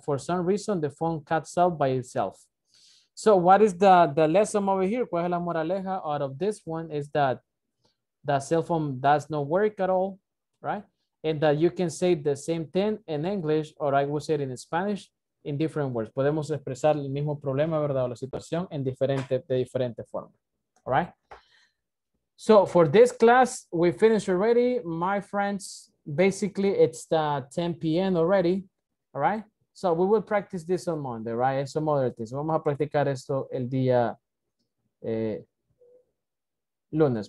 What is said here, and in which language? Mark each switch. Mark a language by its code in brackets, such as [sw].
[en] For some reason, the phone cuts out by itself. So what is the lesson over here? [es] ¿Cuál es la moraleja [en] out of this one? Is that the cell phone does not work at all, right? And that you can say the same thing in English, or I would say it in Spanish, in different words. [es] Podemos expresar el mismo problema, ¿verdad? O la situación en diferente, de diferente forma, [en] all right? So for this class, we finished already, my friends. Basically, it's the 10 p.m. already, all right? So we will practice this on Monday, right? And some other things. [es] Vamos a practicar esto el día lunes.